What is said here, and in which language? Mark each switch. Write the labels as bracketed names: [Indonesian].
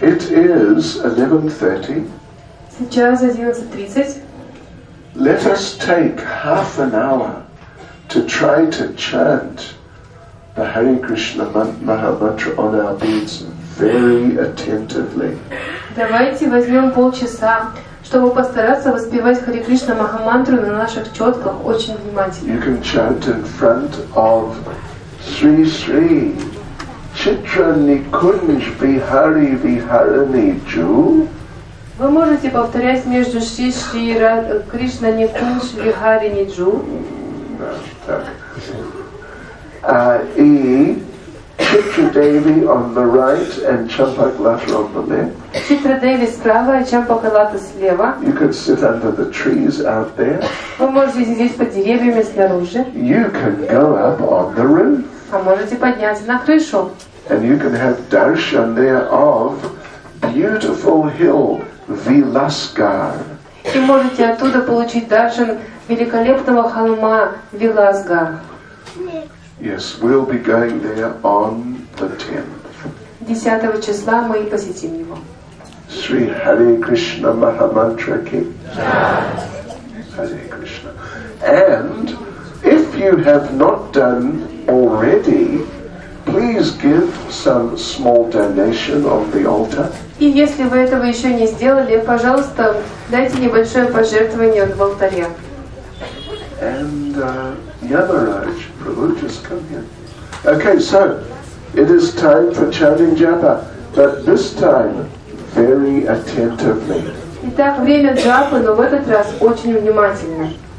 [English] It is 11:30. [Russian] Сейчас 11:30. [English] Let us take half an hour to try to chant the Hare Krishna Mahamantra on our beads very attentively. [Russian] Давайте возьмем полчаса, чтобы постараться воспевать Хари Кришна Махамантру на наших четках очень внимательно. [English] You can chant in front of Sri Sri Chitra Nikunj Vihari Viharani Ju. [Russian] Вы можете повторять между Шри Шри Кришна Никунш Вихари Ниджу. [English] И Читра Деви on the right and Чампакалата on the left. [Russian] Читра Деви справа и Чампакалата слева. [English] You can sit under the trees out there. [Russian] Вы можете сидеть под деревьями снаружи. [English] You can go up on the roof. [Russian] А можете подняться на крышу. [English] And you can have darshan there of beautiful hill. [Russian] Виласгар. И можете оттуда получить даршан великолепного холма Виласгар. [English] Yes, we'll be going there on the 10th. [Russian] 10 числа мы и посетим его. [Sanskrit] Шри Хари Кришна Махамантра Ки. Хари Кришна. [English] And if you have not done already, please give some small donation on the altar. [Russian] И если вы этого еще не сделали, пожалуйста, дайте небольшое пожертвование в алтаре. [English] And Yamaraj, please. religious communion. Okay, so it is time for chanting japa, but this time very attentively. [Russian] Итак, время джапы, но в этот раз очень внимательно.